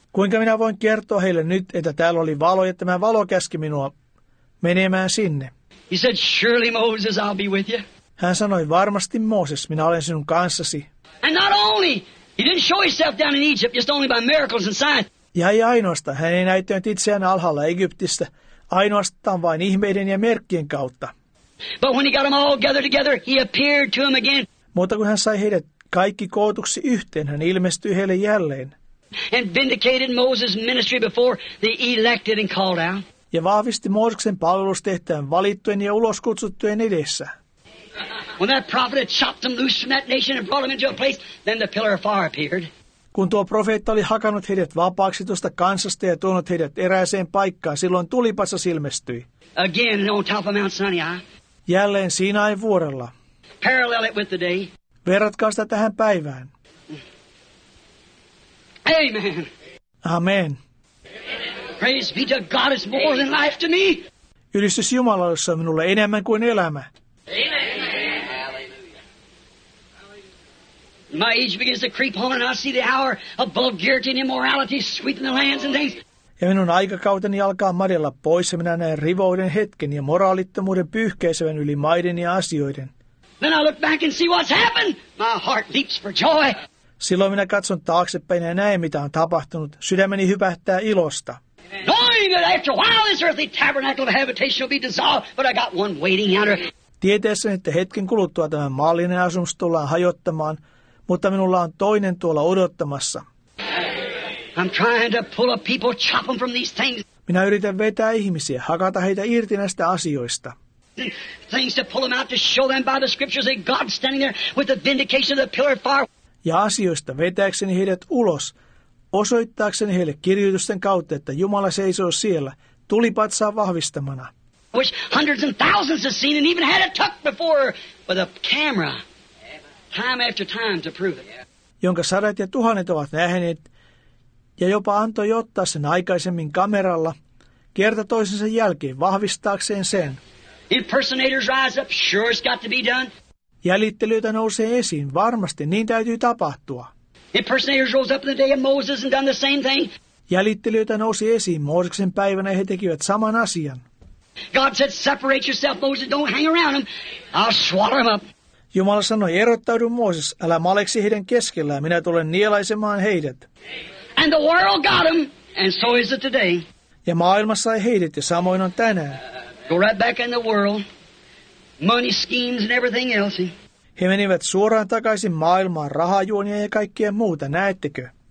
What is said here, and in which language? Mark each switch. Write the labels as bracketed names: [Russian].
[Finnish] Kuinka minä voin kertoa heille nyt, että täällä oli valo ja tämä valo käski minua menemään sinne? [English] He said, surely Moses, I'll be with you. [Finnish] Hän sanoi, varmasti Mooses, minä olen sinun kanssasi. [English] And not only, he didn't show himself down in Egypt, just only by miracles and signs. [Finnish] Ja ei ainoastaan, hän ei näyttänyt itseään alhaalla Egyptistä, ainoastaan vain ihmeiden ja merkkien kautta. [English] But when he got them all gathered together, he appeared to them again. [Finnish] Mutta kun hän sai heidät kaikki kootuksi yhteen, hän ilmestyi heille jälleen. [English] And vindicated Moses' ministry before the elected and called out. [Finnish] Ja vahvisti Mooseksen palvelustehtävän valittujen ja uloskutsuttujen edessä. [English] When that prophet had chopped them loose from that nation and brought them into a place, then the pillar of fire appeared. [Finnish] Kun tuo profeetta oli hakanut heidät vapaaksi tuosta kansasta ja tuonut heidät erääseen paikkaan, silloin tulipatsas ilmestyi. [English] Again on top of Mount Sinai. [Finnish] Jälleen Siinain vuorella. [English] Parallel it with the day. [Finnish] Verratkaa sitä tähän päivään. [English] Amen. [Finnish] Amen. [English] Praise be to God is more than life to me. [Finnish] Ylistys Jumalalle, se on minulle enemmän kuin elämä. [English] Amen. My age begins to creep on and I see the hour of vulgarity and immorality sweeping the lands and things. [Finnish] Ja minun aikakauteni alkaa madella pois ja minä näen rivouden hetken ja moraalittomuuden pyyhkeisevän yli maiden ja asioiden. [English] Then I look back and see what's happened. My heart leaps for joy. [Finnish] Silloin minä katson taaksepäin ja näen, mitä on tapahtunut. Sydämeni hypähtää ilosta. [English] Knowing that after a while this earthly tabernacle of habitation will be dissolved, but I got one waiting yonder. [Finnish] Tietäessäni, että hetken kuluttua tämä maallinen asumus tullaan hajottamaan, mutta minulla on toinen tuolla odottamassa. [English] I'm trying to pull up people, chop them from these things. [Finnish] Minä yritän vetää ihmisiä, hakata heitä irti näistä asioista. [English] Things to pull them out to show them by the scriptures that God's standing there with the vindication of the pillar of fire. [Finnish] Ja asioista vetääkseni heidät ulos, osoittaakseni heille kirjoitusten kautta, että Jumala seisoo siellä, tulipatsaa vahvistamana. [English] Which hundreds and thousands have seen and even had it tucked before with a camera. Time after time to prove it. [Finnish] Jonka sadat ja tuhannet ovat nähneet ja jopa antoi ottaa sen aikaisemmin kameralla, kerta toisensa jälkeen vahvistaakseen sen. [English] Impersonators rise up, sure it's got to be done. [Finnish] Jäljittelyitä nousee esiin, varmasti niin täytyy tapahtua. [English] Impersonators rose up in the day of Moses and done the same thing. [Finnish] Jäljittelyitä nousi esiin Mooseksen päivänä ja he tekivät saman asian. [English] God said, separate yourself, Moses, don't hang around him. I'll swallow him up. [Finnish] Jumala sanoi, erottaudu Mooses, älä maleksi heidän keskellä, minä tulen nielaisemaan heidät. [English] And the world got him, and so is it today. [Finnish] Ja maailma sai heidät, ja samoin on tänään. [English] Go right back in the world, money schemes and everything else. [Finnish] He menivät suoraan takaisin maailmaan, rahajuonia ja kaikkea muuta, näettekö?